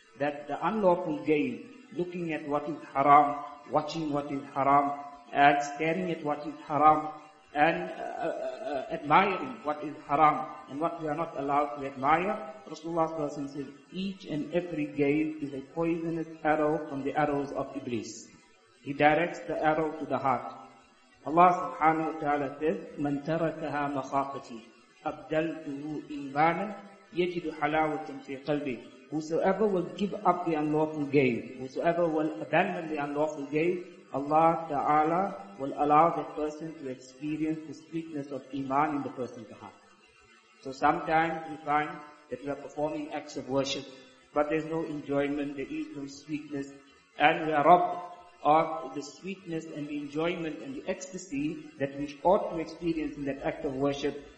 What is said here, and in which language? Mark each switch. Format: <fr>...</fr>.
<en>That the unlawful gain, looking at what is haram, watching what is haram, and staring at what is haram, and admiring what is haram, and what we are not allowed to admire, Rasulullah says, each and every gain is a poisonous arrow from the arrows of Iblis. He directs the arrow to the heart. Allah subhanahu wa ta'ala says,</en> <ar>مَنْ تَرَكَهَا مَخَافَتِي أَبْدَلْتُهُ إِيمَانًا يَجِدُ حَلَاوَةً فِي قَلْبِي.</ar> <en>Whosoever will give up the unlawful gain, whosoever will abandon the unlawful gain, Allah ta'ala will allow the person to experience the sweetness of iman in the person's heart. So sometimes we find that we are performing acts of worship, but there's no enjoyment, there is no sweetness, and we are robbed of the sweetness and the enjoyment and the ecstasy that we ought to experience in that act of worship.</en>